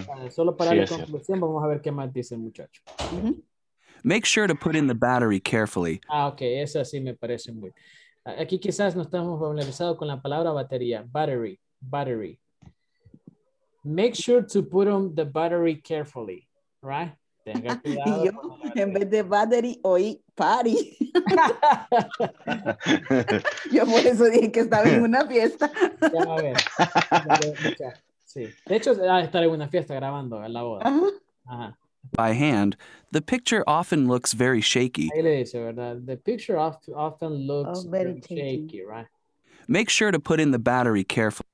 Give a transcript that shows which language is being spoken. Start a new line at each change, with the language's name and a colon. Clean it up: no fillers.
Spanish: Solo para la conclusión, vamos a ver qué más dice el muchacho.
English: Make sure to put in the battery carefully.
Spanish: Ah, ok, esa sí me parece muy. Aquí quizás no estamos familiarizados con la palabra batería.
English: Battery. Make sure to put on the battery carefully, right?
Spanish: Tenga cuidado. Yo, en vez de battery, oí party. Yo por eso dije que estaba en una fiesta. Ya, a ver. Sí. De hecho, va a estar en una fiesta grabando en la boda.
English: By hand, the picture often looks very shaky.
Spanish: Ahí le dice, ¿verdad?
English: The picture often looks very shaky, right? Make sure to put in the battery carefully.